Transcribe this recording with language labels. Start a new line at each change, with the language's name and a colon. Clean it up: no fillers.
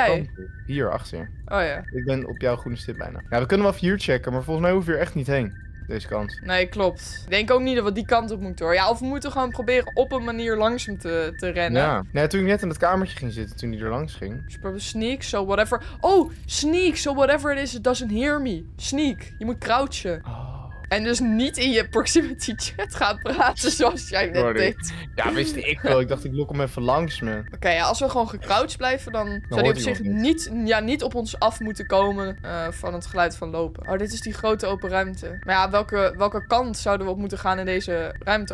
Dutch: jij? Kant. Hier, achter. Oh ja. Ik ben op jouw groene stip bijna. Ja, we kunnen wel even hier checken, maar volgens mij hoef je er echt niet heen. Deze kant. Nee, klopt. Ik denk ook niet dat we die kant op moeten, hoor. Ja, of we moeten gewoon proberen op een manier langs hem te rennen. Ja. Nee, toen ik net in het kamertje ging zitten, toen hij er langs ging.
English: Sneak, so whatever. Oh, sneak, so whatever it is, it doesn't hear me.
Dutch: Sneak, je moet crouchen. Oh. En dus niet in je proximity chat gaan praten zoals jij net deed. Ja, wist ik wel. Ik dacht, ik lok hem even langs me. Oké, okay, ja, als we gewoon gecrouched blijven, dan zou hij op zich niet op ons af moeten komen van het geluid van lopen. Oh, dit is die grote open ruimte. Maar ja, welke kant zouden we op moeten gaan in deze ruimte?